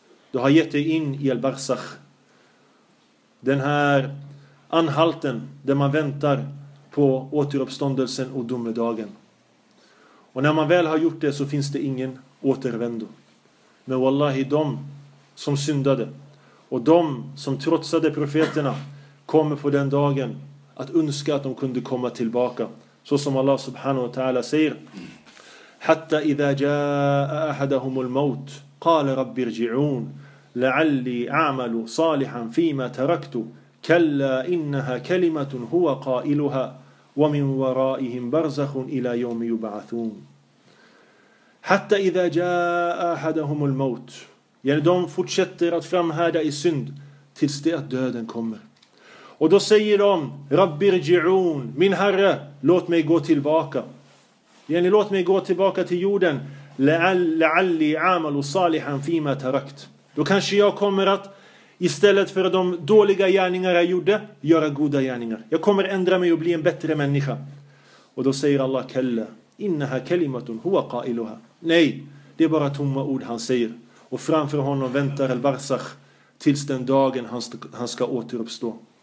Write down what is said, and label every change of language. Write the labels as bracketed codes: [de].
[sv] Du har gett dig in i al-barzakh. Den här anhalten där man väntar på återuppståndelsen och domedagen. Och när man väl har gjort det så finns det ingen återvändo. Men wallahi, de som syndade och de som trotsade profeterna kommer på den dagen att önska att de kunde komma tillbaka. Så som Allah subhanahu wa ta'ala säger: [ar] Hatta idha jaa ahadahumul maut qala rabbi irji'un لعلي أعمل صالحا فيما تركت كلا إنها كلمة هو قائلها ومن ورائهم برزخ إلى يوم يبعثون حتى إذا جاء أحدهم الموت. [sv] Yani de fortsätter att framhärda i synd tills det att döden kommer. Och då säger de: [ar] Rabbi irji'un, [sv] min herre, låt mig gå tillbaka. Yani låt mig gå tillbaka till jorden. [ar] لعلي أعمل صالحا فيما تركت. [sv] Då kanske jag kommer att, istället för de dåliga gärningar jag gjorde, göra goda gärningar. Jag kommer ändra mig och bli en bättre människa. Och då säger Allah: [ar] Kalla, innaha kalimatun huwa qailuha. [sv] Nej, det är bara tomma ord han säger. Och framför honom väntar al-barzakh tills den dagen han ska återuppstå.